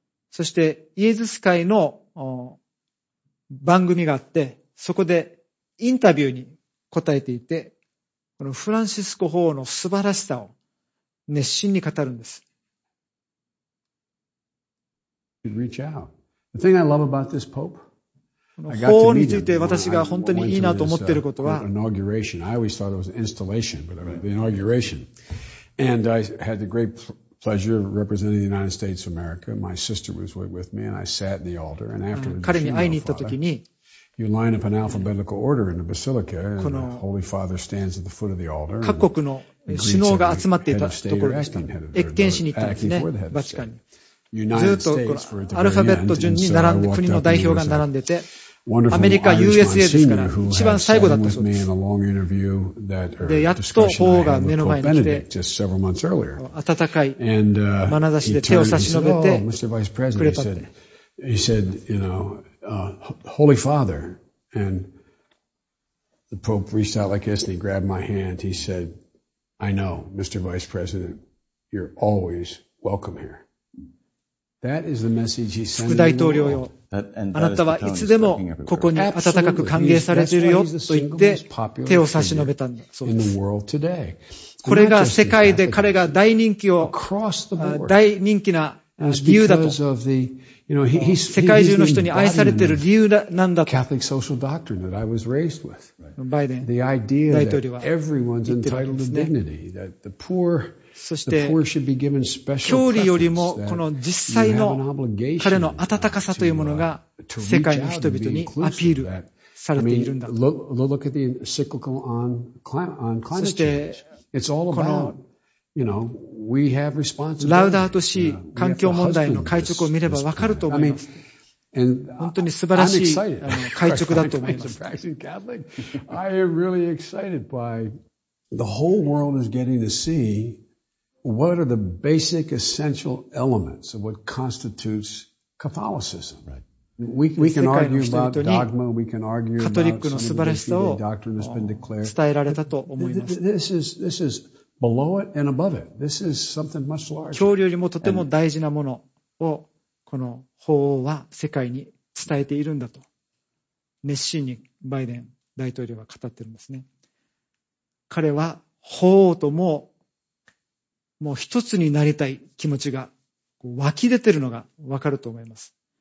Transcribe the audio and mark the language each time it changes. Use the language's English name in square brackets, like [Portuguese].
[Japanese] そしてイエズス会の番組があって、そこでインタビューに答えていて、このフランシスコ法王の素晴らしさを熱心に語るんです。 [English] Reach out. The thing I love about this pope, [Japanese] 法王について私が本当にいいなと思っていることは、 [English] inauguration. I always thought it was installation, but the inauguration. And I had the great pleasure of representing the United States of America. My sister was with me, and I sat in the altar. And after the funeral, you line up an alphabetical order in the basilica, and the Holy Father stands at the foot of the altar. [Japanese] 各国の首脳が集まっていたところでした。謁見しに行ったんですね、バチカンに。ずっとこのアルファベット順に並んで、国の代表が並んでて、アメリカ、USA ですから、一番最後だったそうです。で、やっと法王が目の前に来て、温かい眼差しで手を差し伸べてくれたって。 [English] He said, you know, Holy Father. And the Pope reached out like this and he grabbed my hand. He said, I know, Mr. Vice President, you're always welcome here. That is the message he sent. [Japanese] 副大統領よ。あなたはいつでもここに温かく歓迎されているよと言って手を差し伸べたんだそうです。これが世界で彼が大人気を、大人気な理由だと。世界中の人に愛されている理由なんだと。バイデン大統領は言ってるんですね。そして、表裏よりも、この実際の彼の温かさというものが、世界の人々にアピールされているんだ。そして、このラウダートシー環境問題の会直を見ればわかると思います。本当に素晴らしい会直だと思います。 [English] What are the basic essential elements of what constitutes Catholicism? We can argue about dogma, we can argue about some of the doctrine that's been declared. This is below it and above it. This is something much larger. [Japanese] 教理よりもとても大事なものをこの法王は世界に伝えているんだと熱心にバイデン大統領は語ってるんですね。彼は法王とももう一つになりたい気持ちが湧き出てるのが分かると思います。